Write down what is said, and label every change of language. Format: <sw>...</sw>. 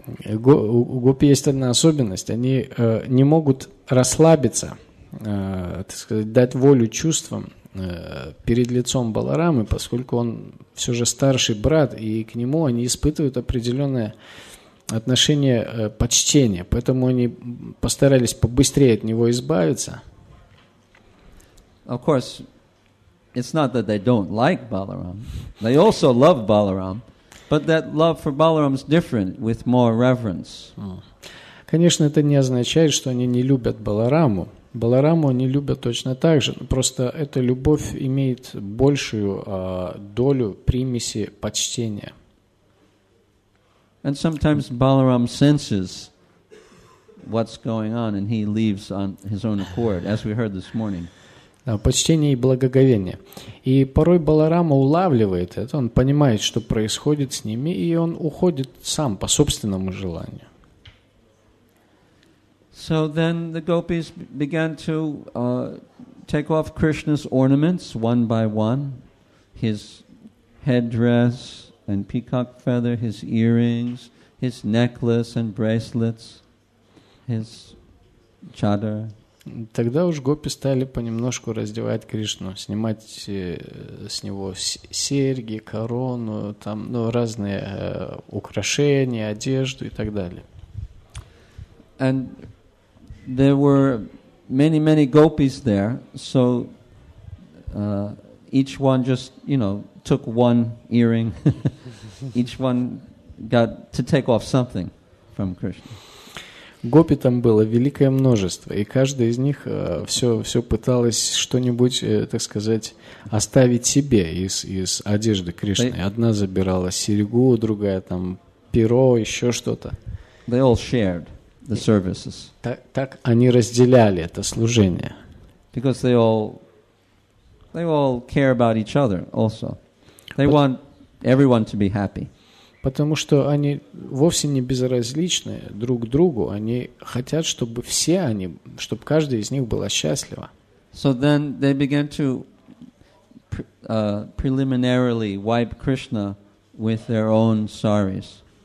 <ru>У гопи есть одна особенность. Они не могут расслабиться, так сказать, дать волю чувствам перед лицом Баларамы, поскольку он все же старший брат, и к нему они испытывают определенное отношение почтения. Поэтому они постарались побыстрее от него избавиться.</ru> <en>Of course, it's not that they don't like Balaram. They also love Balaram. But that love for Balaram is different, with more reverence.</en> <ru>Конечно, это не означает, что они не любят Балараму. Баларама они любят точно так же, просто эта любовь имеет большую долю примеси почтения.</ru> <en>And sometimes Balaram senses what's going on, and he leaves on his own accord, as we heard this morning.</en> <ru>Почтение и благоговение. И порой Баларама улавливает это, он понимает, что происходит с ними, и он уходит сам по собственному желанию.</ru> <en>So then the gopis began to take off Krishna's ornaments one by one, his headdress and peacock feather, his earrings, his necklace and bracelets, his chadar.</en> <ru>Тогда уж гопи стали понемножку раздевать Кришну, снимать с него серьги, корону, там, ну, разные украшения, одежду и так далее.</ru> <en>And there were many, many gopis there, so each one just, you know, took one earring. Each one got to take off something from Krishna.</en> <ru>Гопи там было великое множество, и каждая из них все пыталась что-нибудь, так сказать, оставить себе из одежды Кришны. Одна забирала серьгу, другая там перо, еще что-то.</ru> <en>They all shared the services.</en> <ru>Так они разделяли это служение.</ru> <en>Because they all care about each other also. They want everyone to be happy.</en> <ru>Потому что они вовсе не безразличны друг к другу, они хотят, чтобы все они, чтобы каждый из них был счастлив.</ru> <en>So then they began to preliminarily wipe Krishna with their own saris.</en>